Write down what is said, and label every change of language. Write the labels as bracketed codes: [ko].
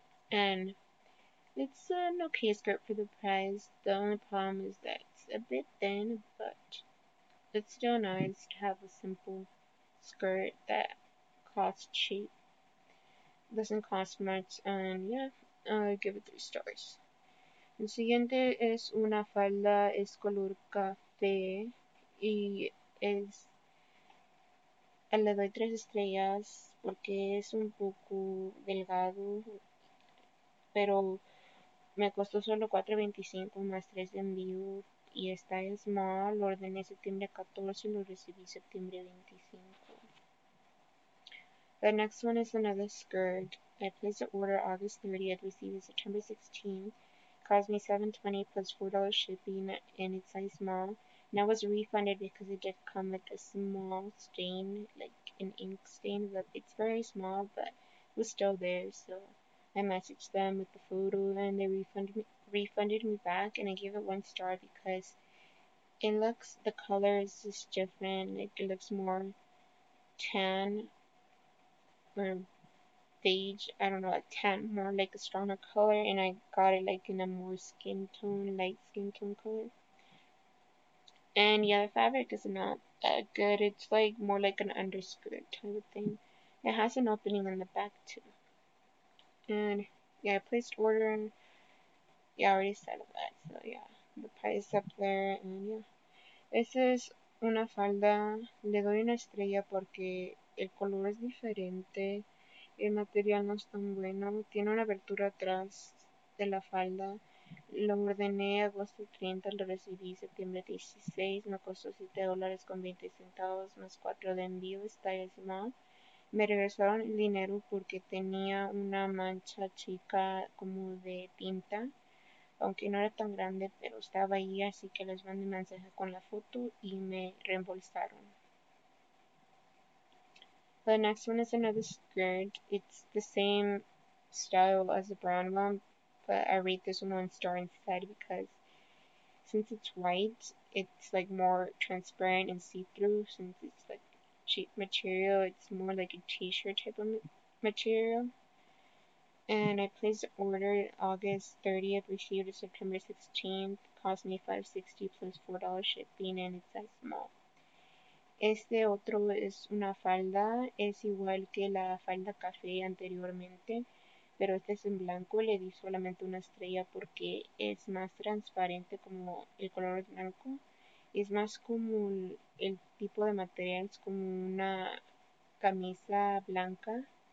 [en] And it's an okay skirt for the price. The only problem is that it's a bit thin, but it's still nice to have a simple skirt that costs cheap. Doesn't cost much. And yeah, I'll give it 3 stars. [es] El siguiente es una falda, es color café, y es, le doy 3 estrellas porque es un poco delgado, pero me costó solo $4.25 más 3 de envío, y esta es small, lo ordené septiembre 14 y lo recibí septiembre 25. [en] The next one is another skirt. I placed the order August 30th, received it September 16th. Cost me $7.20 plus $4 shipping, and it's size small. Now was refunded because it did come with a small stain, like an ink stain. But it's very small, but it was still there. So I messaged them with the photo, and they refunded me back, and I gave it 1 star because it looks, the color is just different. Like, it looks more tan or beige, I don't know, a tan, more like a stronger color, and I got it like in a more skin tone, light skin tone color. And yeah, the fabric is not that good. It's like more like an underskirt type of thing. It has an opening in the back too. And yeah, I placed order, and yeah, I already said that, so yeah, the price is up there. And yeah, [es] Esa es una falda, le doy una estrella porque el color es diferente, el material no es tan bueno, tiene una abertura atrás de la falda, lo ordené agosto 30, lo recibí septiembre 16, me costó $7 con 20 centavos más 4 de envío, está small. Me regresaron el dinero porque tenía una mancha chica como de tinta. Aunque no era tan grande, pero estaba ahí, así que les mandé un mensaje con la foto y me reembolsaron. [en] The next one is another skirt. It's the same style as the brown one, but I rate this one 1 star instead because since it's white, it's like more transparent and see-through. Since it's like cheap material, it's more like a t-shirt type of material. And I placed the order August 30th, received it September 16th, cost me $5.60 plus $4 shipping, and it's that small. [es] Este otro es una falda, es igual que la falda café anteriormente, pero este es en blanco, le di solamente una estrella porque es más transparente como el color blanco. Es más como el tipo de material, es como una camisa blanca.